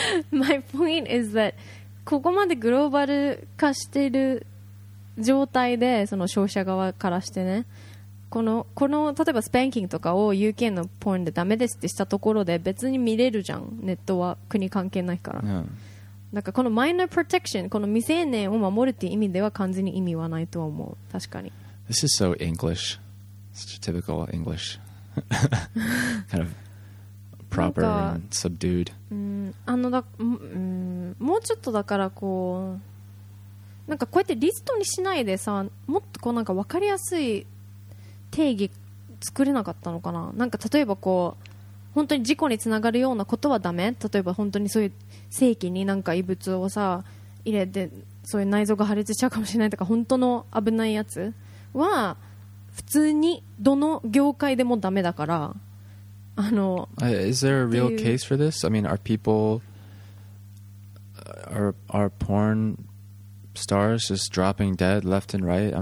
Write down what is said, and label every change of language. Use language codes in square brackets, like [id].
[en] My point is that [ja] ここまでグローバル化してる状態でその消費者側からしてね、この例えばスパンキングとかを UK のポーンでダメですってしたところで別に見れるじゃん、ネットは国関係ないから、なんかこのマイナープロテクション、この未成年を守るっていう意味では完全に意味はないとは思う。確かに [en] This is so English. Such a typical English kind of proper and subdued. [ja] もうちょっとだからこうなんかこうやってリストにしないでさ、もっとこうなんか分かりやすい定義作れなかったのかな。なんか例えばこう本当に事故につながるようなことはダメ、例えば本当にそういう性器になんか異物をさ入れてそういう内臓が破裂しちゃうかもしれないとか、本当の危ないやつは普通にどの業界でもダメだから、あの [en] Is there a real case for this? I mean, are people are pornstars just dropping dead left and right?